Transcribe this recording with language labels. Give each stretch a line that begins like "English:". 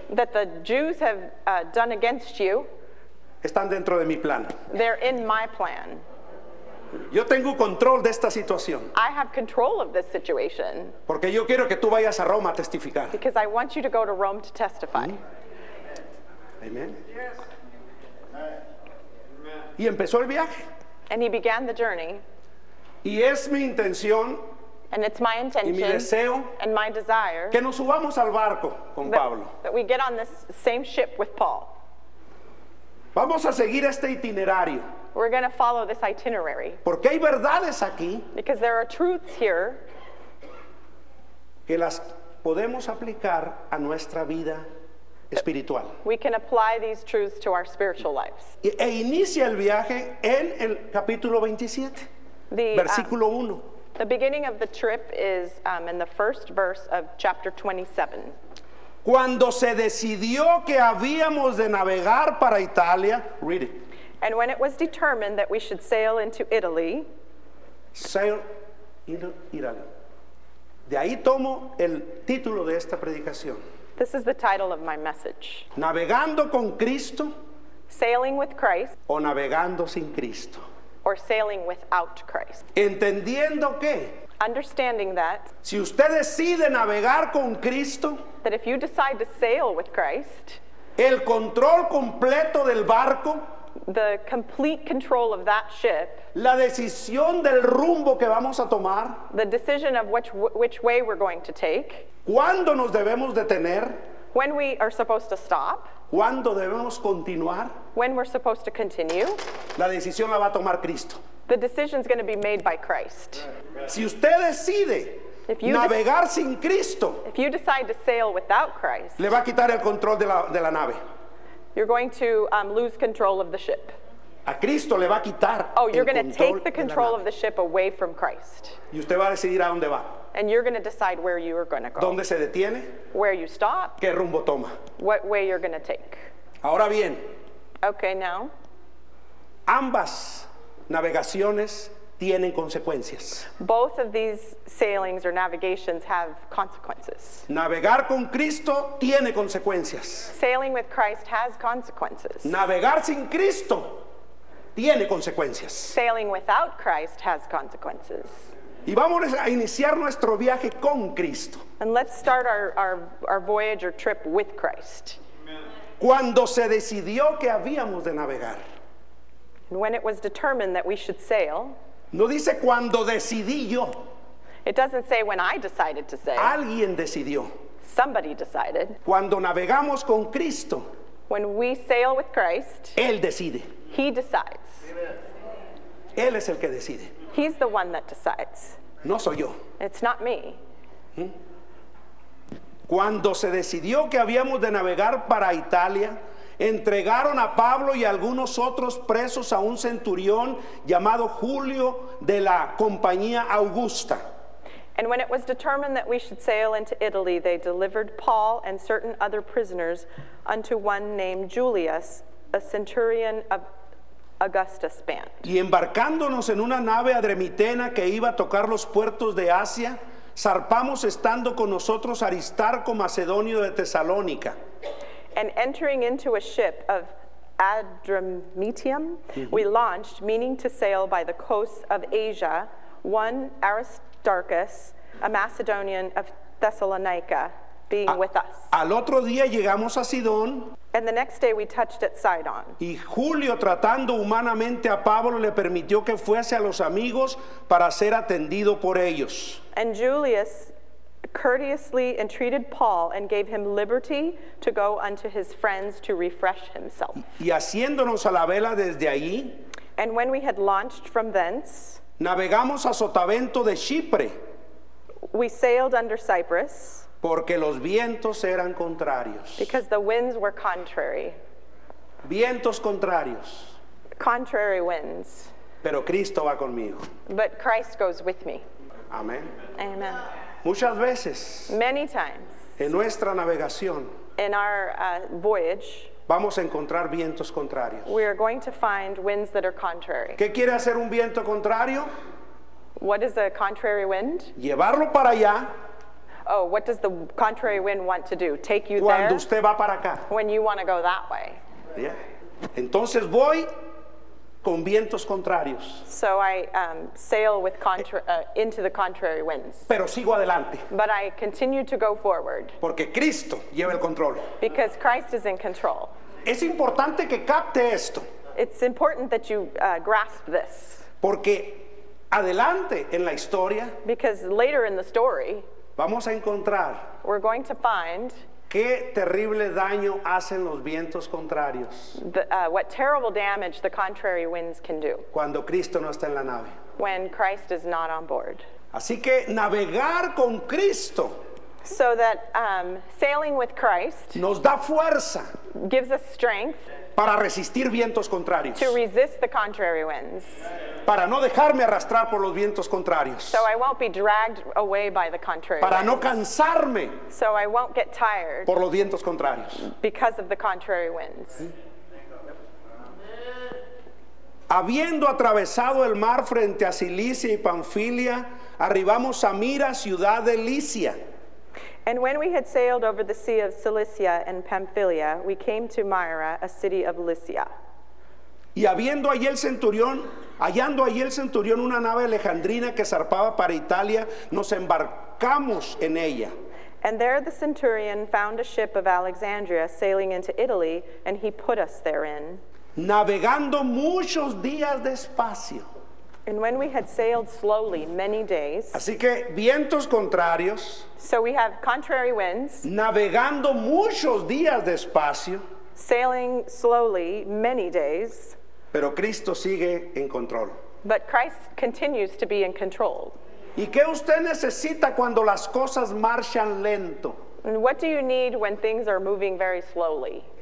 English: that the Jews have done against you,
Spanish: están dentro de mi plan.
English: They're in my plan.
Spanish: Yo tengo control de esta situación.
English: I have control of this situation.
Spanish: Porque yo quiero que tú vayas a Roma a testificar.
English: Because I want you to go to Rome to testify. Amen. Amen. Yes.
Spanish: Y empezó el viaje.
English: And he began the journey.
Spanish: Y es mi intención,
English: and it's my intention,
Spanish: y mi deseo,
English: and my desire,
Spanish: que nos subamos al barco con
English: that,
Spanish: Pablo.
English: That we get on this same ship with Paul.
Spanish: Vamos a seguir este itinerario.
English: We're going to follow this itinerary.
Spanish: Porque hay verdades aquí,
English: because there are truths here,
Spanish: que las podemos aplicar a nuestra vida espiritual.
English: We can apply these truths to our spiritual lives.
Spanish: E inicia el viaje en el capítulo 27, versículo 1.
English: The beginning of the trip is in the first verse of chapter 27.
Spanish: Cuando se decidió que habíamos de navegar para Italia,
English: read it. And when it was determined that we should sail into Italy, sail into Italy.
Spanish: De ahí tomo el título de esta predicación.
English: This is the title of my message.
Spanish: Navegando con Cristo,
English: sailing with Christ,
Spanish: o navegando sin Cristo,
English: or sailing without Christ.
Spanish: Entendiendo que,
English: understanding that,
Spanish: si usted decide navegar con Cristo,
English: that if you decide to sail with Christ,
Spanish: el control completo del barco,
English: the complete control of that ship,
Spanish: la decisión del rumbo que vamos a tomar,
English: the decision of which way we're going to take,
Spanish: cuándo nos debemos detener,
English: when we are supposed to stop,
Spanish: cuándo debemos continuar,
English: when we're supposed to continue,
Spanish: la decisión la va a tomar Cristo.
English: The decision is going to be made by Christ.
Spanish: Si usted decide navegar sin Cristo,
English: if you decide to sail without Christ,
Spanish: le va a quitar el control de la nave.
English: You're going to lose control of the ship.
Spanish: A Cristo le va a quitar el control.
English: Oh, you're going to take the control of the ship away from Christ.
Spanish: Y usted va a decidir a dónde va.
English: And you're going to decide where you are going to go.
Spanish: ¿Dónde se detiene?
English: Where you stop.
Spanish: ¿Qué rumbo toma?
English: What way you're going to take.
Spanish: Ahora bien.
English: Okay, now.
Spanish: Ambas navegaciones tienen consecuencias.
English: Both of these sailings or navigations have consequences.
Spanish: Navegar con Cristo tiene consecuencias.
English: Sailing with Christ has consequences.
Spanish: Navegar sin Cristo tiene consecuencias.
English: Sailing without Christ has consequences.
Spanish: Y vamos a iniciar nuestro viaje con Cristo.
English: And let's start our voyage or trip with Christ. Amen.
Spanish: Cuando se decidió que habíamos de navegar.
English: And when it was determined that we should sail.
Spanish: No dice cuando decidí yo.
English: It doesn't say when I decided to sail.
Spanish: Alguien decidió.
English: Somebody decided.
Spanish: Cuando navegamos con Cristo.
English: When we sail with Christ.
Spanish: Él decide.
English: He decides. Amen.
Spanish: Él es el que decide.
English: He's the one that decides.
Spanish: No soy yo.
English: It's not me.
Spanish: Cuando se decidió que habíamos de navegar para Italia, entregaron a Pablo y a algunos otros presos a un centurión llamado Julio de la compañía Augusta.
English: And when it was determined that we should sail into Italy, they delivered Paul and certain other prisoners unto one named Julius, a centurion of Augustus' band.
Spanish: Y embarcándonos en una nave adremitena que iba a tocar los puertos de Asia, zarpamos estando con nosotros Aristarco Macedonio de Tesalónica.
English: And entering into a ship of Adramitium, we launched, meaning to sail by the coasts of Asia, one Aristarchus, a Macedonian of Thessalonica, being with us.
Spanish: Al otro día llegamos a Sidón.
English: And the next day we touched at Sidon.
Spanish: Y Julio, tratando humanamente a Pablo, le permitió que fuese a los amigos para ser atendido por ellos.
English: And Julius courteously entreated Paul and gave him liberty to go unto his friends to refresh himself.
Spanish: Y haciéndonos a la vela desde allí.
English: And when we had launched from thence,
Spanish: navegamos a sotavento de Chipre.
English: We sailed under Cyprus.
Spanish: Porque los vientos eran contrarios.
English: Because the winds were contrary.
Spanish: Vientos contrarios.
English: Contrary winds.
Spanish: Pero Cristo va conmigo.
English: But Christ goes with me.
Spanish: Amén.
English: Amen.
Spanish: Muchas veces.
English: Many times.
Spanish: En nuestra navegación.
English: In our voyage.
Spanish: Vamos a encontrar vientos contrarios.
English: We are going to find winds that are contrary.
Spanish: ¿Qué quiere hacer un viento contrario?
English: What is a contrary wind?
Spanish: Llevarlo para allá.
English: Oh, what does the contrary wind want to do? Take you
Spanish: cuando
English: there?
Spanish: Usted va para acá.
English: When you want to go that way. Yeah.
Spanish: Entonces voy con vientos contrarios.
English: So I sail with into the contrary winds.
Spanish: Pero sigo adelante.
English: But I continue to go forward.
Spanish: Porque Cristo lleva el control.
English: Because Christ is in control.
Spanish: Es importante que capte esto.
English: It's important that you grasp this.
Spanish: Porque adelante en la historia.
English: Because later in the story.
Spanish: Vamos a encontrar.
English: We're going to find.
Spanish: Qué terrible daño hacen los vientos contrarios.
English: What terrible damage the contrary winds can do.
Spanish: Cuando Cristo no está en la nave.
English: When Christ is not on board.
Spanish: Así que navegar con Cristo.
English: So that sailing with Christ.
Spanish: Nos da fuerza.
English: Gives us strength.
Spanish: Para resistir vientos contrarios.
English: To resist the contrary winds.
Spanish: Para no dejarme arrastrar por los vientos contrarios.
English: So I won't be dragged away by the contrary.
Spanish: Para
English: winds.
Spanish: No cansarme.
English: So I won't get tired.
Spanish: Por los vientos contrarios.
English: Because of the contrary winds.
Spanish: Habiendo atravesado el mar frente a Cilicia y Pamphylia, arribamos a Mira, ciudad de Licia.
English: And when we had sailed over the sea of Cilicia and Pamphylia, we came to Myra, a city of Lycia.
Spanish: Y habiendo allí el centurión, hallando allí el centurión una nave alejandrina que zarpaba para Italia, nos embarcamos en ella.
English: And there the centurion found a ship of Alexandria sailing into Italy, and he put us therein.
Spanish: Navegando muchos días despacio.
English: And when we had sailed slowly many days.
Spanish: Así que vientos contrarios.
English: So we have contrary winds.
Spanish: Navegando muchos días despacio.
English: Sailing slowly many days.
Spanish: Pero Cristo sigue en control.
English: But Christ continues to be in control.
Spanish: ¿Y qué usted necesita cuando las cosas marchan lento?
English: And what do you need when things are moving very slowly?